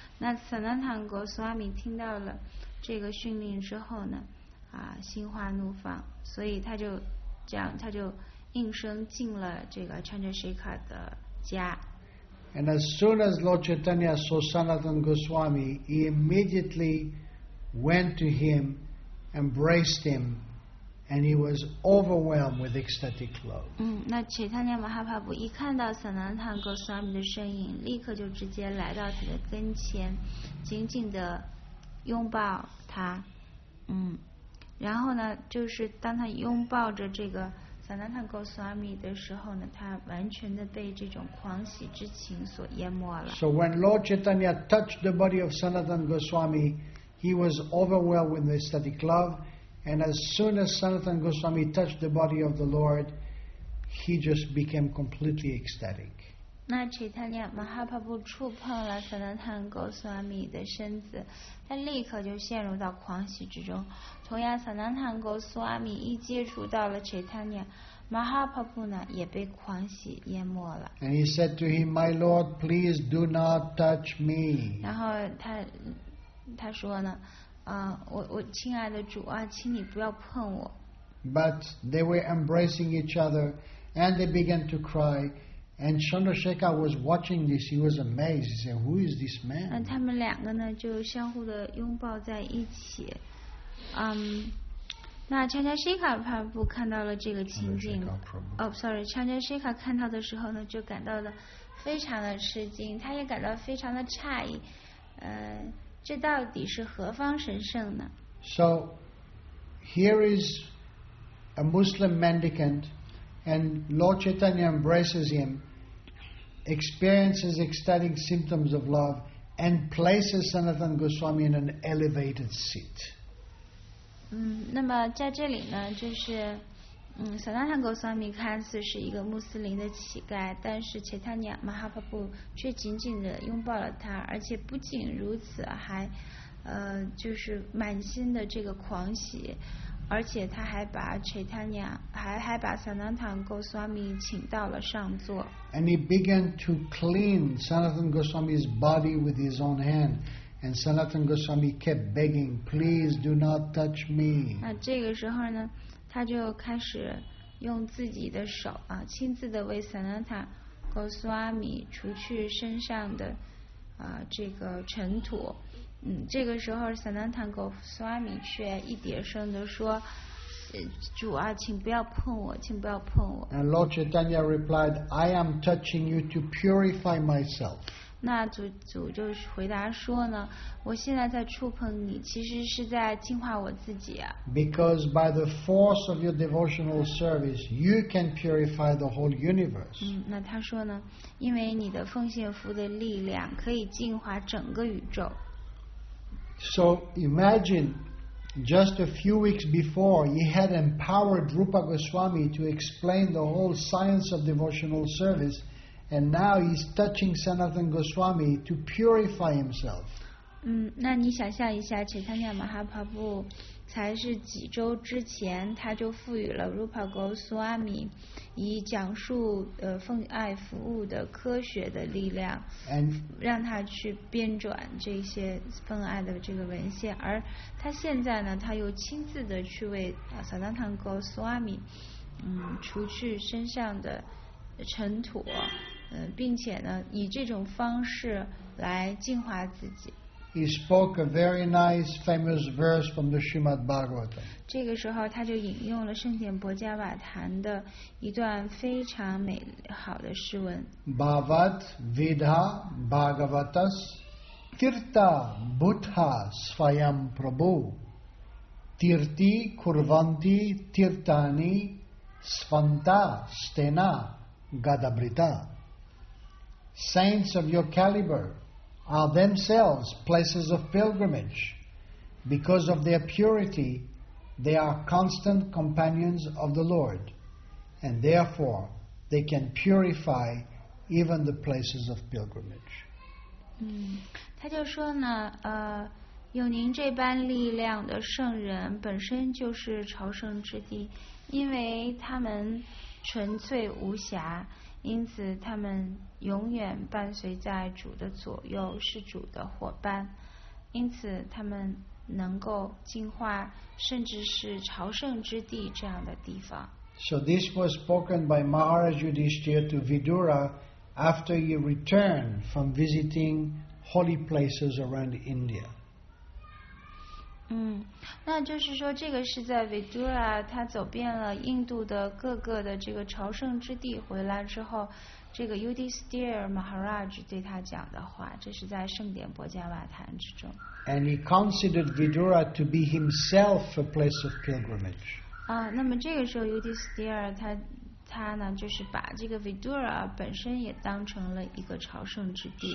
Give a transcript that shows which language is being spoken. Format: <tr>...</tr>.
<zh>那 Sanatan Goswami 听到了这个训令之后呢，心花怒放，所以他就这样，他就应声进了这个 Chandra Shekhar 的家。</zh> <en>And as soon as Lord Chaitanya saw Sanatan Goswami, he immediately went to him, embraced him, and he was overwhelmed with ecstatic love.</en> <zh>那 Chaitanya Mahaprabhu 一看到 Sanatan Goswami 的身影，立刻就直接来到他的跟前，紧紧地拥抱他。然后呢，就是当他拥抱着这个 Sanatan Goswami 的时候呢，他完全地被这种狂喜之情所淹没了。</zh> <en>So when Lord Chaitanya touched the body of Sanatan Goswami, he was overwhelmed with ecstatic love. And as soon as Sanatan Goswami touched the body of the Lord, he just became completely ecstatic.</en> <zh>那 Chaitanya Mahaprabhu 触碰了 Sanatan Goswami 的身子，他立刻就陷入到狂喜之中。同样 ，Sanatan Goswami 一接触到了 Chaitanya Mahaprabhu 呢，也被狂喜淹没了。</zh> <en>And he said to him, "My Lord, please do not touch me."</en> <zh>然后他说呢。我亲爱的主啊，请你不要碰我。</zh> <en>But they were embracing each other, and they began to cry. And Chandra Shekhar was watching this. He was amazed. He said, "Who is this man?"</en> <zh>他们两个呢就相互的拥抱在一起。那 Chandra Shekhar 他不看到了这个情景。Chandra Shekhar 看到的时候呢，就感到了非常的吃惊，他也感到非常的诧异。这到底是何方神圣呢？</zh> <en>So here is a Muslim mendicant, and Lord Chaitanya embraces him, experiences ecstatic symptoms of love, and places Sanatan Goswami in an elevated seat.</en> <zh>那么在这里呢，就是Sanatan Goswami 看似是一个穆斯林的乞丐，但是 Chaitanya Mahaprabhu 却紧紧地拥抱了他，而且不仅如此，还就是满心的这个狂喜，而且他还把 Chaitanya 还把 Sanatan Goswami 请到了上座。</zh> <en>And he began to clean Sanatan Goswami's body with his own hand. And Sanatan Goswami kept begging, "Please do not touch me."</en> <zh>那这个时候呢，他就开始用自己的手啊，亲自的为 Sanatan Goswami 除去身上的这个尘土。这个时候 Sanatan Goswami 却一点声的说，主啊，请不要碰我，请不要碰我。</zh> <en>And Lord Chaitanya replied, I am touching you to purify myself.</en> <zh>那主就回答说呢，我现在在触碰你，其实是在净化我自己啊。</zh> <en>Because by the force of your devotional service, you can purify the whole universe.</en> <zh>那他说呢，因为你的奉献服的力量可以净化整个宇宙。</zh> <en>So imagine, just a few weeks before, he had empowered Rupa Goswami to explain the whole science of devotional service, and now he's touching Sanatana Goswami to purify himself.</en> <zh>那你想象一下，钱塘亚马哈帕布才是几周之前，他就赋予了 Rupa Goswami 以讲述奉爱服务的科学的力量，让他去编撰这些奉爱的这个文献。而他现在呢，他又亲自的去为 Sanatana Goswami 除去身上的尘土，并且呢，以这种方式来净化自己。</zh> <en>He spoke a very nice famous verse from the Srimad Bhagavatam.</en> <zh>这个时候他就引用了圣贤薄伽瓦坛的一段非常美好的诗文。</zh> <sa>Bhavat vidha bhagavatas tirta bhutha svayam prabhu tirti kurvanti tirtani svanta stena gadabrita.</sa> <en>Saints of your caliber are themselves places of pilgrimage. Because of their purity, they are constant companions of the Lord, and therefore they can purify even the places of pilgrimage.</en> <zh>他就说呢，有您这般力量的圣人本身就是朝圣之地，因为他们纯粹无瑕，因此他们永远伴随在主的左右，是主的伙伴，因此他们能够净化甚至是朝圣之地这样的地方。</zh> <en>So this was spoken by Maharaj Yudhishthira to Vidura after he returned from visiting holy places around India.</en> <zh>那就是说这个是在 Vidura 他走遍了印度的各个的这个朝圣之地回来之后，这个 Yudhishthira Maharaj 对他讲的话，这是在圣典薄伽瓦坛之中。</zh> <en>And he considered Vidura to be himself a place of pilgrimage.</en> <zh>那么这个时候 Yudhishthira 他呢，就是把这个 Vidura 本身也当成了一个朝圣之地。</zh>